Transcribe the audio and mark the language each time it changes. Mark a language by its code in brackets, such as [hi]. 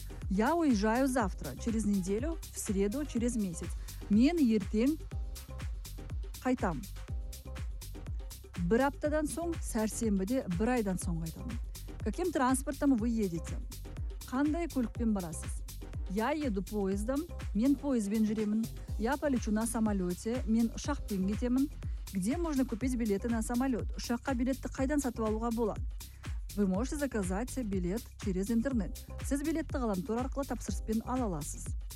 [ru] Я уезжаю завтра, через неделю, в среду, через месяц. [kk] Мен ертең қайтам. Бір аптадан соң, сәрсенбіде бір айдан соң қайтамын. [ru] Каким транспортом вы едете? [kk] Қандай көлікпен барасыз? [ru] Я еду поездом. [kk] Мен поездбен жүремін. [ru] Я полечу на самолете. [kk] Мен ұшақпен кетемін. [ru] Где можно купить билеты на самолет? [kk] Ұшаққа билетті қайдан сатып алуға болады? [ru] Вы можете заказать билет через интернет. [kk] Сіз билетті ғаламтор арқылы тапсырыспен ала аласыз.